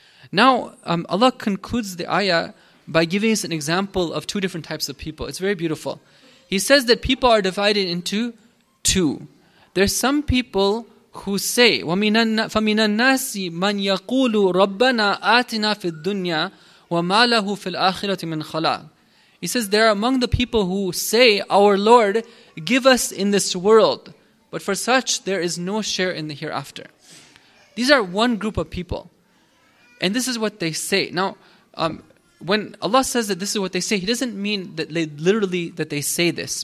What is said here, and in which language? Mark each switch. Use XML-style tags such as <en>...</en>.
<en>Now, Allah concludes the ayah by giving us an example of two different types of people. It's very beautiful. He says that people are divided into two. There's some people who say,</en> <ar>فَمِنَ النَّاسِ مَنْ يَقُولُ رَبَّنَا آتِنَا فِي الدُّنْيَا وَمَا لَهُ فِي الْآخِرَةِ مِنْ خَلَاقٍ.</ar> <en>He says, there are among the people who say, our Lord, give us in this world. But for such, there is no share in the hereafter. These are one group of people. And this is what they say. Now, when Allah says that this is what they say, He doesn't mean that they literally that they say this.</en>